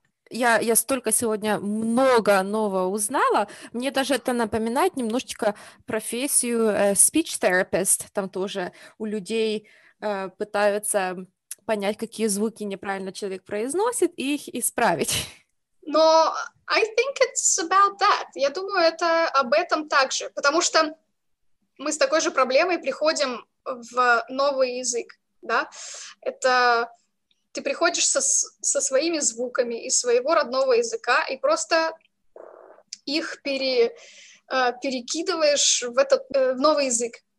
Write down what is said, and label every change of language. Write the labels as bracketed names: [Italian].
[Russian] Я столько сегодня много нового узнала. Мне даже это напоминает немножечко профессию speech therapist. Там тоже у людей пытаются понять, какие звуки неправильно человек произносит, и их исправить. [English] Но I think it's about that. [Russian] Я думаю, это об этом также. Потому что мы с такой же проблемой приходим в новый язык, да? Это... Ты приходишь со своими звуками из своего родного языка и просто их перекидываешь в новый язык.